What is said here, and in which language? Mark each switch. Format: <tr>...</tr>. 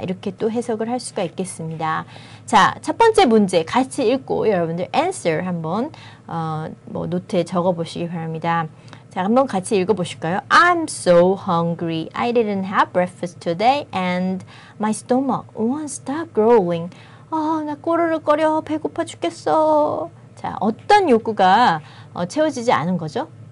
<ko>이렇게 또 해석을 할 수가 있겠습니다. 자, 첫 번째 문제 같이 읽고 여러분들 answer 한번 뭐 노트에 적어보시기 바랍니다. 자, 한번 같이 읽어보실까요?</ko> <en>I'm so hungry. I didn't have breakfast today and my stomach won't stop growling.</en> <ko>아, 나 꼬르륵거려. 배고파 죽겠어. 자, 어떤 욕구가 채워지지 않은 거죠?</ko>